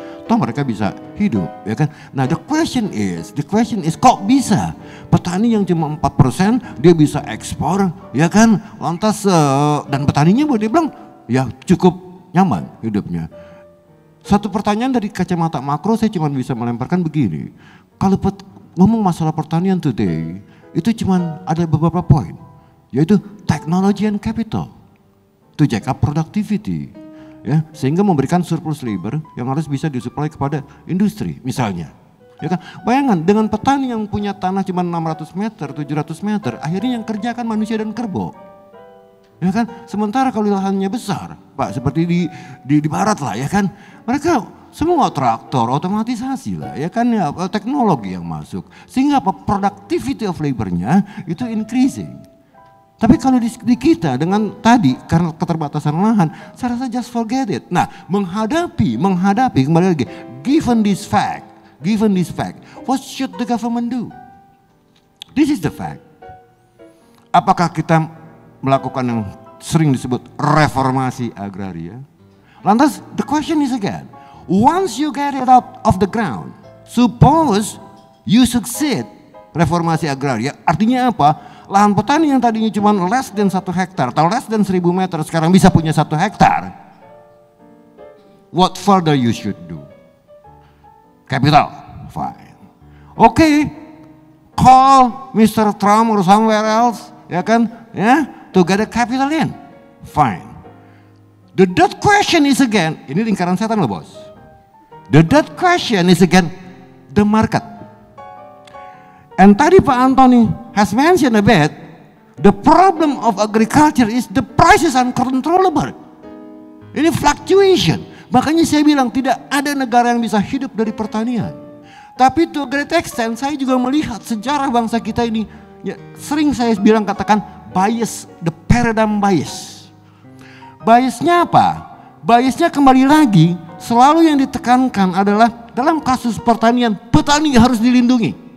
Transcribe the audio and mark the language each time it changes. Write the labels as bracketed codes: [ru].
[id] Toh mereka bisa hidup, ya kan? Nah, [en] the question is [id] kok bisa petani yang cuma 4% dia bisa ekspor, ya kan? Lantas dan petaninya boleh dibilang ya cukup nyaman hidupnya. Satu pertanyaan dari kacamata makro saya cuma bisa melemparkan begini. Kalau ngomong masalah pertanian today, itu cuma ada beberapa poin. [en] Yaitu technology and capital to jack up productivity. [id] Ya, sehingga memberikan surplus labor yang harus bisa disuplai kepada industri misalnya. Ya kan? Bayangkan dengan petani yang punya tanah cuma 600 meter, 700 meter, akhirnya yang kerjakan manusia dan kerbau. Ya kan, sementara kalau lahannya besar, Pak, seperti di barat lah, ya kan, mereka semua traktor, otomatisasi lah, ya kan, ya, teknologi yang masuk, sehingga apa, [en] productivity of labornya [id] itu [en] increasing. [id] Tapi kalau di kita dengan tadi karena keterbatasan lahan, saya rasa [en] just forget it. [id] Nah, menghadapi kembali lagi, [en] given this fact, what should the government do? This is the fact. [id] Apakah kita melakukan yang sering disebut reformasi agraria. Lantas, [en] the question is again, once you get it out of the ground, suppose you succeed [id] reformasi agraria, artinya apa? Lahan petani yang tadinya cuma less than 1 hektar atau [en] less than 1000 meter, [id] sekarang bisa punya 1 hektar. [en] What further you should do? Capital, fine. Okay, call Mr. Trump or somewhere else, [id] ya kan? Ya? [en] Yeah? To get a capital in, fine. The third question is again, [id] ini lingkaran setan loh bos. [en] The third question is again, the market. And tadi Pak Anthony has mentioned a bit, the problem of agriculture is the prices uncontrollable. [id] Ini fluctuation. Makanya saya bilang tidak ada negara yang bisa hidup dari pertanian. Tapi [en] to a great extent, [id] saya juga melihat sejarah bangsa kita ini, ya, sering saya bilang katakan, bias, [en] the paradigm bias. [id] Biasnya apa? Biasnya kembali lagi, selalu yang ditekankan adalah dalam kasus pertanian, petani harus dilindungi.